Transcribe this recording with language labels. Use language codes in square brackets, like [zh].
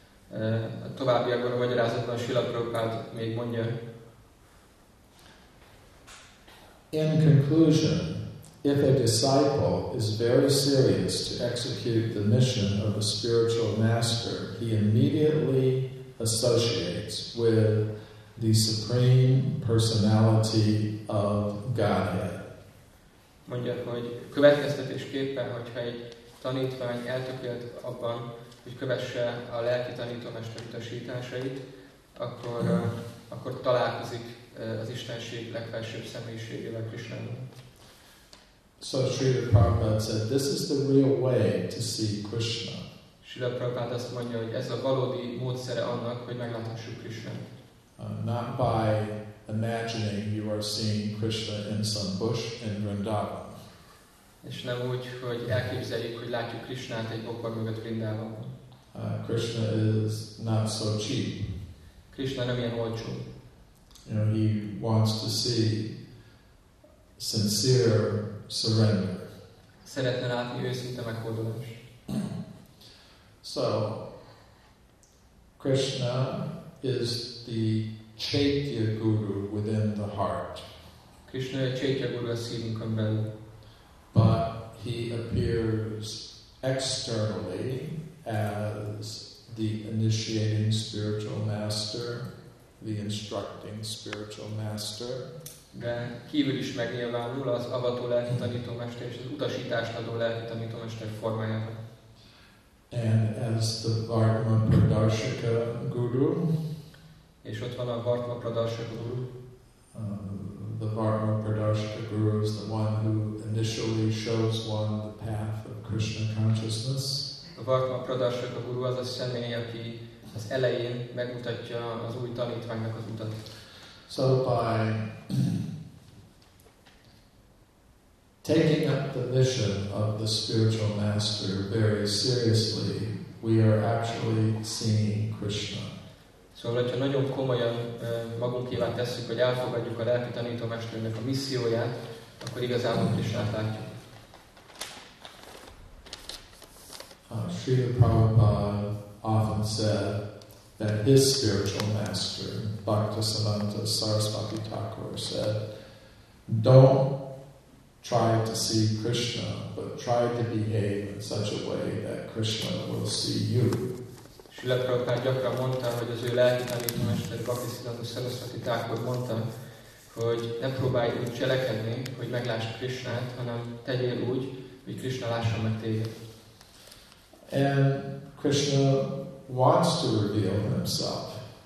[hu] a továbbiakban a magyarázatban Srila Prabhupada még mondja, [en] in conclusion, if a disciple is very serious to execute the mission of a spiritual master, he immediately associates with the supreme personality of Godhead. [hu] Mondja, hogy következtetésképpen, hogyha egy tanítvány eltökélt abban, hogy kövesse a lelki tanítómester utasításait, akkor akkor találkozik az Istenség legfelsőbb személyiségével, Krisnával. [en] So Srila Prabhupada said, this is the real way to see Krishna. [hu] Srila Prabhupada azt mondja, hogy ez a valódi módszere annak, hogy megláthassuk Krishna. [en] Not by imagining you are seeing Krishna in some bush in Vrindavan. [hu] És nem úgy, hogy elképzeljük, hogy látjuk Krishnát egy bokor mögött Vrindavan. [en] Krishna is not so cheap. [hu] Krishna nem ilyen olcsó. [en] You know, he wants to see sincere surrender. [hu] Szeretne látni őszinte megfordulást. [en] So, Krishna is the Chaitya Guru within the heart. [hu] Krishna a Chaitya Guru a szívünkön belül. [en] But he appears externally as the initiating spiritual master, the instructing spiritual master. [hu] De kívül is megnyilvánul az avató lelki tanítómester és az utasítást adó lelki tanítómester formájában. [en] And as the Vartma Pradarshika Guru, [hu] és ott van a Vartma Pradarshika Guru, [en] the Bharma Pradarshika Guru is the one who initially shows one the path of Krishna consciousness. [hu] A Bharma Pradarshika Guru az a személy, aki az elején megmutatja az új tanítványnak az utat. [en] So by taking up the mission of the spiritual master very seriously, we are actually seeing Krishna. [hu] Szóval, hogyha nagyon komolyan magunkévá tesszük, hogy elfogadjuk a lelki tanítómesternek a misszióját, akkor igazából Krisnát látjuk. [en] Srila Prabhupada often said that his spiritual master, Bhaktisiddhanta Sarasvati Thakur, said, "Don't try to see Krishna, but try to behave in such a way that Krishna will see you." [hu] Srila Prabhupada gyakran mondta, hogy az ő lelki tanítómester Bhaktisiddhanta Sarasvati Thakur mondta, hogy ne próbálj úgy cselekedni, hogy meglásd Krishnát, hanem tegyél úgy, hogy Krishna lásson meg téged. [en] And Krishna wants to reveal himself.